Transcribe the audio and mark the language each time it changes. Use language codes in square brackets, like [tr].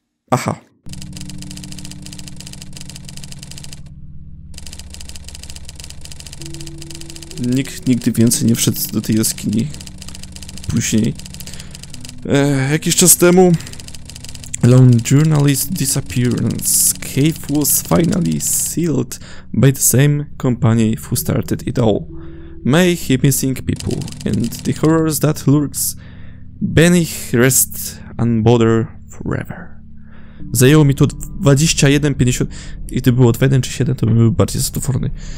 [pl] Aha. Nikt nigdy więcej nie wszedł do tej jaskini. Później. Jakiś czas temu... [en] Lone journalist disappearance. Cave was finally sealed by the same company who started it all. May he missing people and the horrors that lurks beneath rest unbothered forever. [pl] Zajęło mi to 21.50 i gdyby było 21 czy 7 to bym był bardziej zadowolony.